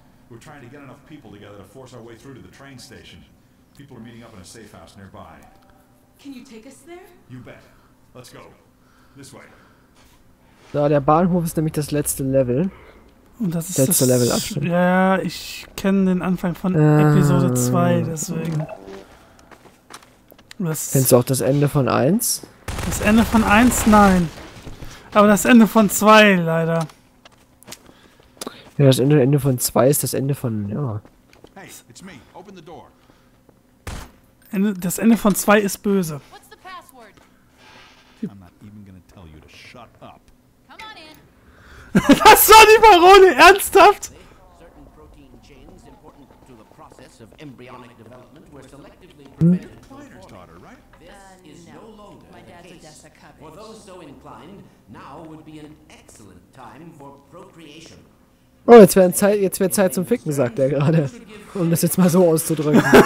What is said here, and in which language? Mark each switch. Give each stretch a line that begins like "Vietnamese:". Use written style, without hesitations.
English: We're trying to get enough people together to force our way through to the train station. People are meeting up in a safe house nearby. Can you take us there? You bet. Let's go. This way.
German: Da, der Bahnhof ist nämlich das letzte Level. Und das ist letzte Level Abschnitt. Ja, ich kenne den Anfang von Episode 2, deswegen. Das kennst du auch das Ende von 1? Das Ende von 1? Nein. Aber das Ende von 2, leider. Ja, das Ende von 2 ist das Ende von, ja.
English: Hey, it's me. Open the door.
German: Das Ende von 2 ist böse.
English: What's the password? I'm not even gonna tell you to shut up. Come on in.
German: Das war die Parole, ernsthaft?
English: Certain protein chains important to the process of embryonic development were selectively prevented. For those so inclined, now would be an excellent time for procreation.
German: Oh, jetzt wäre Zeit zum Ficken, sagt er gerade. Um das jetzt mal so auszudrücken.